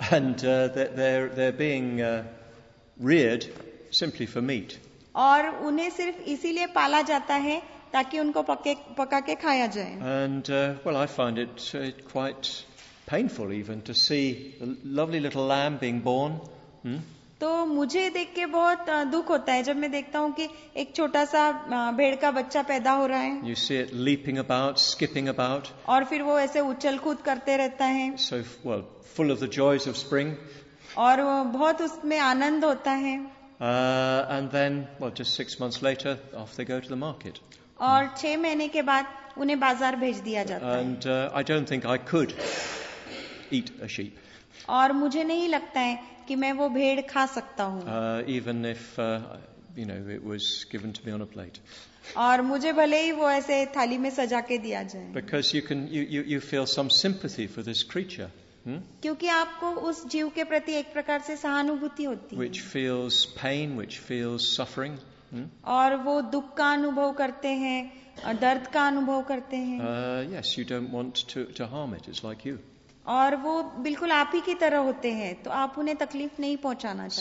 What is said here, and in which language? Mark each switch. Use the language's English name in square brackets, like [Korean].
[English] And they're being reared simply for meat. [Hindi] और उन्हें सिर्फ इसीलिए पाला जाता है ताकि उनको पका के खाया जाए. [English] And well, I find it quite painful even to see a lovely little lamb being born. [Hindi] तो मुझे देख के बहुत दुख होता है जब मैं देखता हूँ कि एक छोटा सा भेड़ का बच्चा पैदा हो रहा है. [English] You see it leaping about, skipping about. [Hindi] और फिर वो ऐसे उछल कूद करते रहता है. [English] So well, full of the joys of spring. [Hindi] और बहुत उसमें आनंद होता है. [English] And then, well, just 6 months later, off they go to the market. [Hindi] और 6 महीने के बाद उन्हें बाजार भेज दिया जाता है. [English] And I don't think I could eat a sheep. [Hindi] और मुझे नहीं लगता है कि मैं वो भेड़ खा सकता हूँ. [English] Even if you know it was given to me on a plate. [Hindi] और मुझे भले ही वो ऐसे थाली में सजा के दिया जाए. [English] Because you can, you feel some sympathy for this creature. [Hindi] क्योंकि आपको उस जीव के प्रति एक प्रकार से सहानुभूति होती है. [English] Which feels pain, which feels suffering. [Hindi] और वो दुख का अनुभव करते हैं, दर्द का अनुभव करते हैं. [English] Yes, you don't want to harm it. It's like you. [Hindi] और वो बिल्कुल आप ही की तरह होते हैं तो आप उन्हें तकलीफ नहीं पहुंचाना चाहते.